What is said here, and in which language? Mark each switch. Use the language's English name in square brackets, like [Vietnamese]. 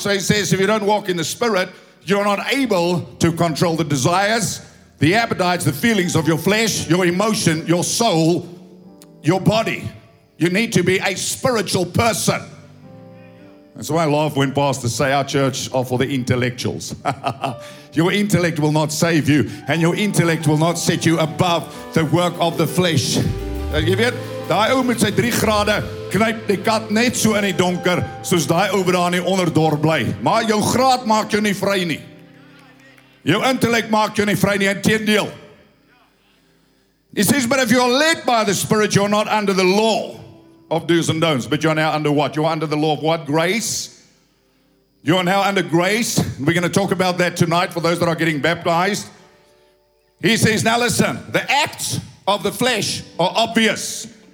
[English] So he says, if you don't walk in the Spirit, you're not able to control the desires, the appetites, the feelings of your flesh, your emotion, your soul, your body. You need to be a spiritual person. That's why I love when pastors say our church are for the intellectuals. Your intellect will not save you, and your intellect will not set you above the work of the flesh. Give it. [Afrikaans] Daai ou met sy 3 grade knyp die kat net so in die donker soos daai ou wat daar in die onderdor bly. Maar jou graad maak jou nie vry nie. Jou intellek maak jou nie vry nie, inteendeel. [English] He says, but if you are led by the Spirit, you're not under the law of do's and don'ts. But you're now under what? You're under the law of what? Grace. You're now under grace. We're going to talk about that tonight for those that are getting baptized. He says, now listen, the acts of the flesh are obvious.